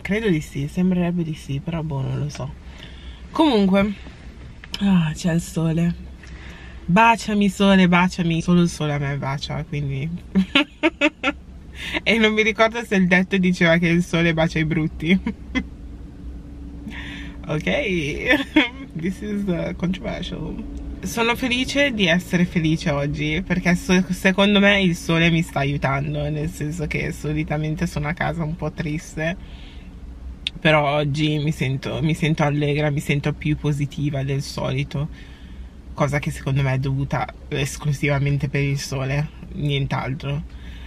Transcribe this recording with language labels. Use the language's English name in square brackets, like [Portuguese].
[Italian] Credo di sì, sembrerebbe di sì, però boh, non lo so. Comunque, c'è il sole. Baciami sole, baciami. Solo il sole a me bacia, quindi... E non mi ricordo se il detto diceva che il sole bacia i brutti. [English] Ok, this is controversial. [Italian] Sono felice di essere felice oggi, perché secondo me il sole mi sta aiutando, nel senso che solitamente sono a casa un po' triste, però oggi mi sento allegra, mi sento più positiva del solito, cosa che secondo me è dovuta esclusivamente per il sole, nient'altro.